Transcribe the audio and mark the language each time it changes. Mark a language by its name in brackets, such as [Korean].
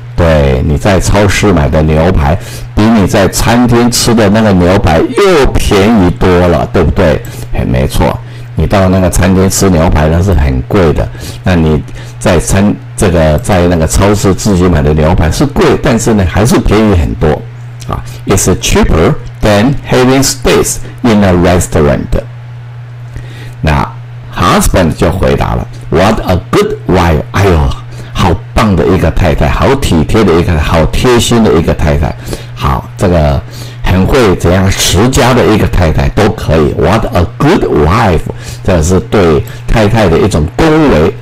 [Chinese] 对，你在超市买的牛排比你在餐厅吃的那个牛排又便宜多了，对不对？很没错，你到那个餐厅吃牛排那是很贵的，那你在餐这个在那个超市自己买的牛排是贵，但是呢还是便宜很多啊。 [English] It's cheaper than having steaks in a restaurant。 [Chinese] 那 husband 就回答了 [English] What a good wife。 [Chinese] 哎呦，好棒的一个太太，好体贴的一个，好贴心的一个太太，好，这个很会怎样持家的一个太太都可以。 [English] What a good wife， [Chinese] 这是对太太的一种恭维。